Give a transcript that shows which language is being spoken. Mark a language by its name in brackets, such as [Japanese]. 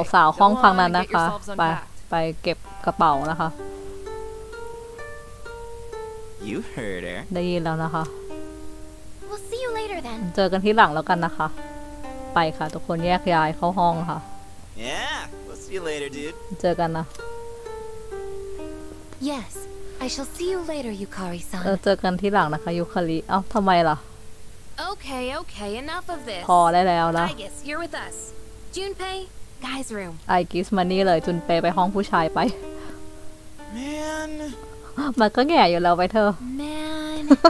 [Thai] สาวๆห้องฟังนั้นนะคะไปเก็บกระเป๋านะคะ [English] You heard her. [Thai] ได้ยินแล้วนะคะ [English] We'll see you later then. [Thai] เจอกันที่หลังแล้วกันนะคะไปค่ะทุกคนแยกย้ายเข้าห้องค่ะ [English] Yeah, we'll see you later, dude. [Thai] เจอกันนะ [English] Yes, I shall see you later, Yukari-san. [Thai] เจอกันที่หลังนะคะยูคาริเอ้าทำไมล่ะ [English] Okay, okay, enough of this. [Thai] พอได้แล้วนะ [English] Igis, you're with us. Junpei, guy's room. [Thai] Igis, มานี่เลยจุนเปไปห้องผู้ชายไป [English] Man. [Thai] มันก็แง่อยู่แล้วไปเธอ [English] Man.